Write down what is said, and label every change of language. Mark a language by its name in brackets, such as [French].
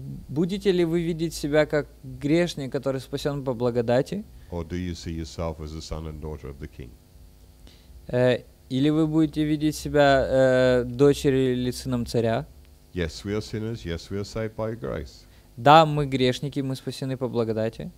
[Russian] Будете ли вы видеть себя как грешник, который спасен по благодати? [English] Or do you see yourself as a son and daughter of the king? [Russian] Или вы будете видеть себя дочерью или сыном царя? [English] Yes, we are sinners. Yes, we are saved by grace. [Russian] Да, мы грешники, мы спасены по благодати.